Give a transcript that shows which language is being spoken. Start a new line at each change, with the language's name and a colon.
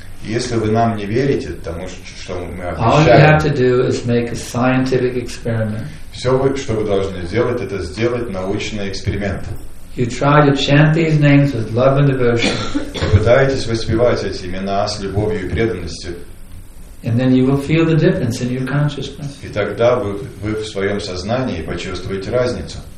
Russian: если вы нам не верите, тому что мы обещаем,
English: all you have to do is make a scientific experiment.
Russian: Все, что вы должны сделать, это сделать научный эксперимент.
English: You try to chant these names with love and devotion.
Russian: Попытаетесь воспевать эти имена с любовью и преданностью.
English: And then you will feel the difference in your consciousness.
Russian: И тогда вы в своем сознании почувствуете разницу.